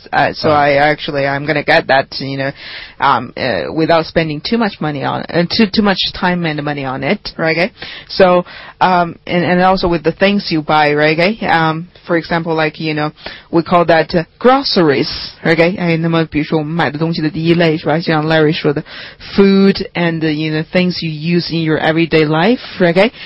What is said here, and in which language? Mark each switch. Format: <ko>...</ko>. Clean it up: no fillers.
<en>that. So right. I'm going to get that, you know, without spending too much money on it, too much time and money on it, right? Okay? So, and also with the things you buy, right? Okay? For example, like, you know, we call that groceries, right? Okay?</en> <zh>那么比如说我们买的东西的第一类是吧？像Larry 说的</zh> <en>food and, you know, things you use in your everyday life, right?</en>